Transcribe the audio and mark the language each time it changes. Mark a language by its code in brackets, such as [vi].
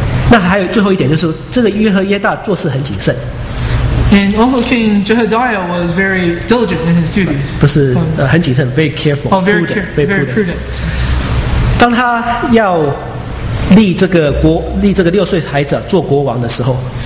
[zh] 那还有最后一点就是，这个约和耶大做事很谨慎。 [en] And also King Jehadiah was very diligent in his duties. [zh] 不是，很谨慎 ， [en] very careful. Very prudent. [zh] 当他要立这个六岁孩子做国王的时候